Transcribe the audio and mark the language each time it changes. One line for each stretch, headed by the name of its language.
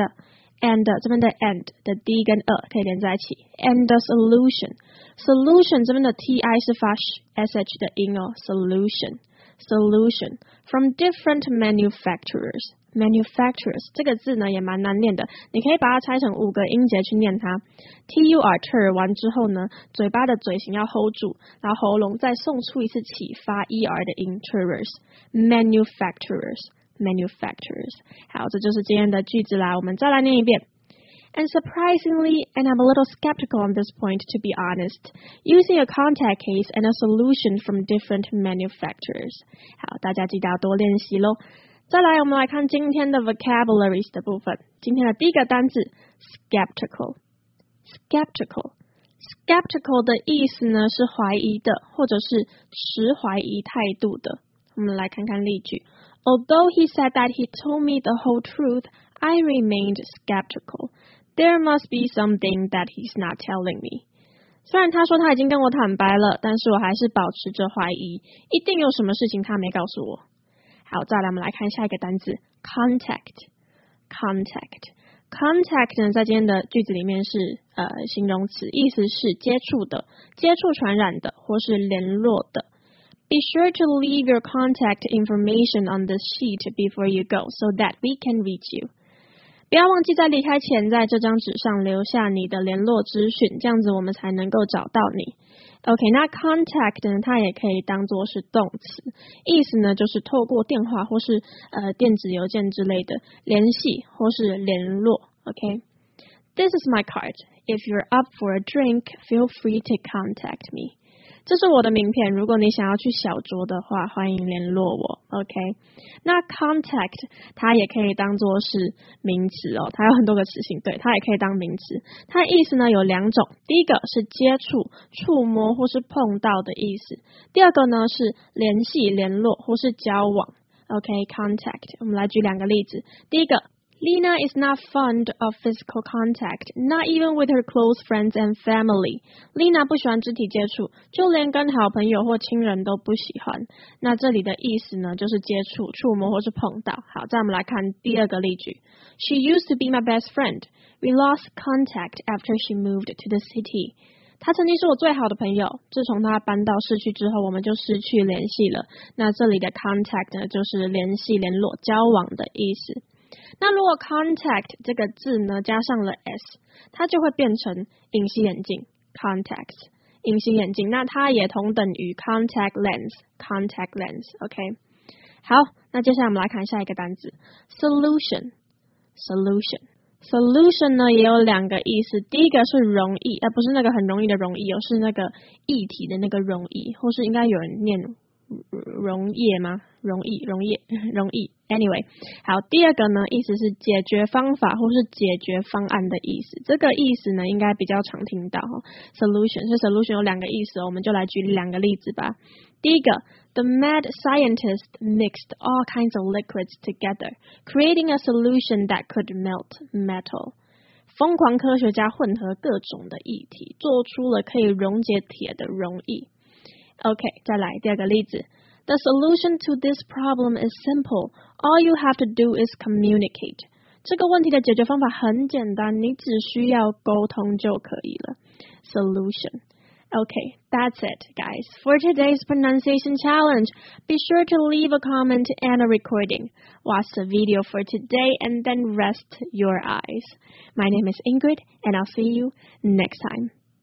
Chinese: 这边的 and 的 d 跟 a 可以连在一起
English: and a solution
Chinese: 这边的 ti 是发 sh 的音哦 solution
English: from different manufacturers
Chinese: 这个字呢也蛮难念的你可以把它拆成五个音节去念它 tur 完之后呢嘴巴的嘴型要 hold 住然后喉咙再送出一次气发 er 的音 turers manufacturers 好这就是今天的句子啦我们再来念一遍
English: And surprisingly and I'm a little skeptical on this point to be honest using a contact case and a solution from different manufacturers
Chinese: 好大家记得要多练习咯再来我们来看今天的 vocabularies 的部分今天的第一个单字 skeptical 的意思呢是怀疑的或者是持怀疑态度的我们来看看例句
English: Although he said that he told me the whole truth, I remained skeptical. There must be something that he's not telling me.
Chinese: 虽然他说他已经跟我坦白了，但是我还是保持着怀疑，一定有什么事情他没告诉我。好，再来我们来看下一个单字 Contact 呢，在今天的句子里面是形容词，意思是接触的、接触传染的或是联络的。
English: Be sure to leave your contact information on this sheet before you go so that we can reach you.
Chinese: 不要忘记在离开前在这张纸上留下你的联络资讯，这样子我们才能够找到你。 OK， 那 contact 呢，它也可以当作是动词，意思呢就是透过电话或是电子邮件之类的联系或是联络。
English: OK， This is my card. If you're up for a drink, feel free to contact me.
Chinese: 这是我的名片，如果你想要去小酌的话，欢迎联络我。 OK， 那 contact 它也可以当作是名词哦，它有很多个词性，对，它也可以当名词。它的意思呢有两种，第一个是接触、触摸或是碰到的意思，第二个呢是联系、联络或是交往。 OK， contact， 我们来举两个例子。第一
English: 个，Lena is not fond of physical contact, not even with her close friends and family.
Chinese: Lena 不喜欢肢体接触，就连跟好朋友或亲人都不喜欢。那这里的意思呢，就是接触、触摸或是碰到。好，再我们来看第二个例句。
English: She used to be my best friend. We lost contact after she moved to the city.
Chinese: 她曾经是我最好的朋友，自从她搬到市区之后，我们就失去联系了。那这里的 contact 呢，就是联系、联络、交往的意思。那如果 contact 这个字呢加上了 s， 它就会变成隐形眼镜 contacts， 隐形眼镜。那它也同等于 contact lens， contact lens。 OK， 好，那接下来我们来看下一个单字 solution。 solution， solution 呢也有两个意思，第一个是容易，不是那个很容易的容易，而是那个议题的那个容易，或是应该有人念溶液吗？溶液，溶液，溶液。
English: Anyway，
Chinese: 好，第二个呢，意思是解决方法或是解决方案的意思。这个意思呢，应该比较常听到。Solution 是 solution， 有两个意思哦。我们就来举两个例子吧。第一个
English: ，The mad scientist mixed all kinds of liquids together, creating a solution that could melt metal.
Chinese: 疯狂科学家混合各种的液体，做出了可以溶解铁的溶液。 OK， 再来第二个例子。
English: The solution to this problem is simple. All you have to do is communicate.
Chinese: 这个问题的解决方法很简单，你只需要沟通就可以了。
English: Solution. OK, that's it, guys. For today's pronunciation challenge, be sure to leave a comment and a recording. Watch the video for today and then rest your eyes. My name is Ingrid, and I'll see you next time.